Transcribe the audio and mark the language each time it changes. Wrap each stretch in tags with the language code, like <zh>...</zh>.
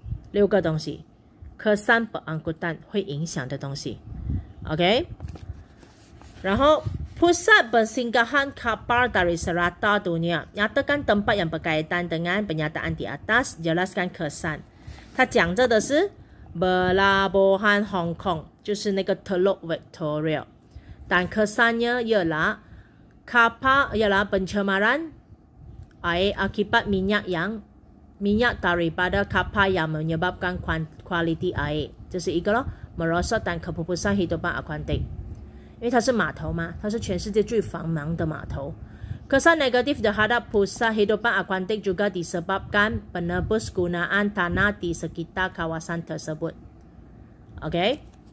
<zh>六个东西,</zh> <ms>kesan pengangkutan,</ms> <zh>会影响的东西. Okay? 然后,</zh> <ms>pusat persinggahan kapal dari serata dunia. Nyatakan tempat yang berkaitan dengan pernyataan di atas, jelaskan kesan.</ms> <zh>他讲着的是, Pelabuhan Hong Kong, 就是那个 Teluk Victoria.</zh> <ms>Dan kesannya ialah, kapal ialah pencemaran air akibat minyak daripada kapal yang menyebabkan kualiti air.</ms> <zh>这是一个咯,</zh> <ms>merosot dan kepupusan hidupan akuantik.</ms> <zh>因为它是码头嘛, 它是全世界最繁忙的码头.</zh> <ms>Kesan negatif terhadap pusat hidupan akuantik juga disebabkan penebus gunaan tanah di sekitar kawasan tersebut. Okay?</ms>